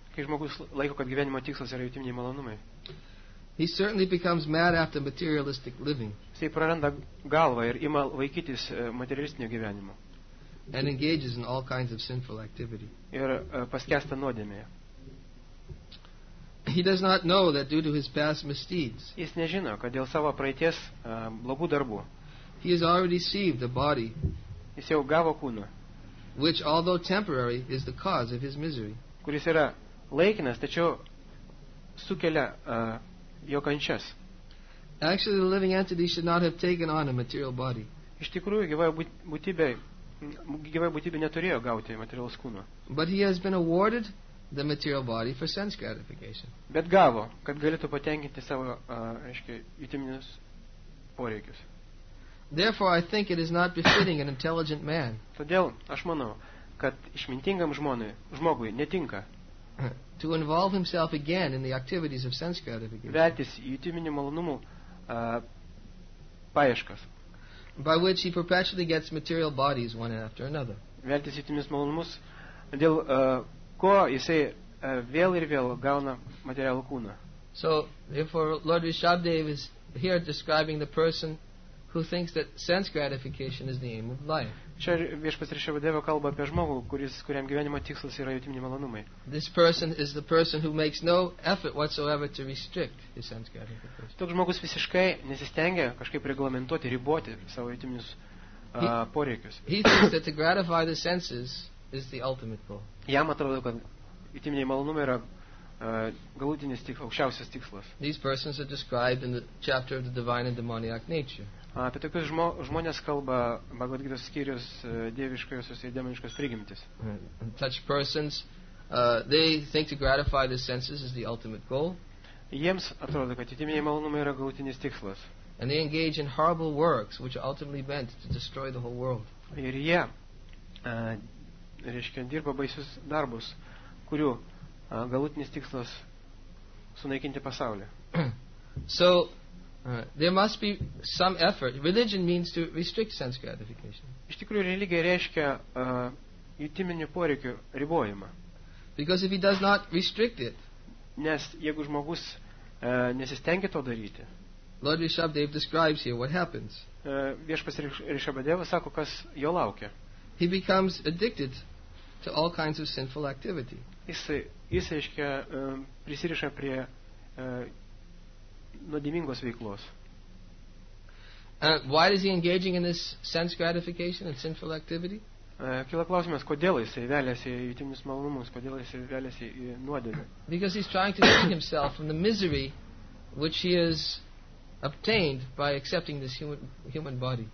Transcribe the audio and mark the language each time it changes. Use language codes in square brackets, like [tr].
[lt] kai žmogus laiko, kad gyvenimo tikslas yra jutiminiai malonumai, [en] he certainly becomes mad after materialistic living. [lt] Jis praranda galvą ir ima vaikytis materialistinio gyvenimo. [en] And engages in all kinds of sinful activity. [lt] Ir paskęsta nuodėmėje. [en] He does not know that due to his past misdeeds. [lt] Jis nežino, kad dėl savo praeities blogų darbų. [en] He has already received a body. [lt] Jis jau gavo kūną. [en] Which although temporary is the cause of his misery. [lt] Kuris yra laikinas, tačiau sukelia jo kančias. [en] Actually, the living entity should not have taken on a material body. [lt] Iš tikrųjų, gyvoji būtybė neturėjo gauti materialus kūną. [en] But he has been awarded the material body for sense gratification. [lt] Bet gavo, kad galėtų patenkinti savo, jutiminius poreikius. [en] Therefore, I think it is not befitting an intelligent man. [lt] Todėl aš manau, kad išmintingam žmogui netinka [en] to involve himself again in the activities of sense gratification. [lt] Veltis jutiminių malonumų paieškas. [en] By which he perpetually gets material bodies one after another. [lt] Veltis jutiminius malonumus, dėl ko jisai vėl ir vėl gauna materialų kūną. [en] So, therefore, Lord Rishabdev is here describing the person who thinks that sense gratification is the aim of life. [lt] Čia viešpats Rishabdev kalba apie žmogų, kuriam gyvenimo tikslas yra jutiminiai malonumai. [en] This person is the person who makes no effort whatsoever to restrict his sense gratification. [lt] Toks žmogus visiškai nesistengia kažkaip reglamentuoti, riboti savo jutiminius poreikius. [en] He thinks that to gratify the senses is the ultimate goal. [lt] Jam atrodo, kad jutiminiai malonumai yra galutinis tikslas, aukščiausias tikslas. [en] These persons are described in the chapter of the divine and demoniac nature. [lt] Apie tokius žmonės kalba Bhagavad Gita skyrius dieviškosios ir demoniškos prigimtis. [en] Such persons, they think to gratify the senses is the ultimate goal. [lt] Jiems atrodo, kad jutiminiai malonumai yra galutinis tikslas. [en] And they engage in horrible works which are ultimately meant to destroy the whole world. [lt] Ir jie reiškia, dirba baisius darbus, kurių galutinis tikslas sunaikinti pasaulį. [en] So, there must be some effort. Religion means to restrict sense gratification. [lt] Iš tikrųjų, religija reiškia jutiminių poreikių ribojimą. [en] Because if he does not restrict it, [lt] nes jeigu žmogus nesistengia to daryti, [en] Lord Rishabdev describes here what happens. [lt] Viešpas Rishabdev sako, kas jo laukia. [en] He becomes addicted to all kinds of sinful activity. [lt] Jis reiškia prisiriša prie nuodėmingos veiklos. [en] Why is he engaging in this sense gratification and sinful activity? [lt] Kyla klausimas, kodėl jis veliasi į jutiminius malonumus, kodėl jis veliasi į nuodėmę. [en] Because he's trying to free himself from the misery which he has obtained by accepting this human body.